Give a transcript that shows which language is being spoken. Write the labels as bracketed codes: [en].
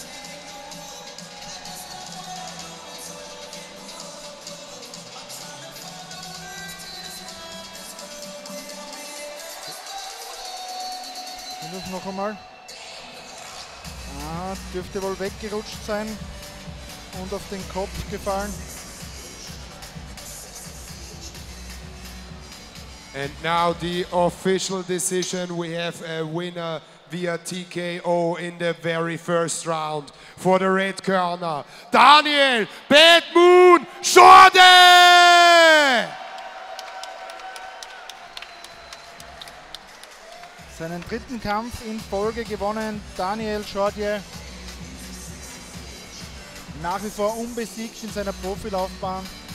[de] Versuch noch einmal. Ah, dürfte wohl weggerutscht sein und auf den Kopf gefallen. [en] And now the official decision. We have a winner via TKO in the very first round for the red corner, Daniel Bad Moon Schorde! [de] Seinen dritten Kampf in Folge gewonnen, Daniel Schorde. Nach wie vor unbesiegt in seiner Profilaufbahn.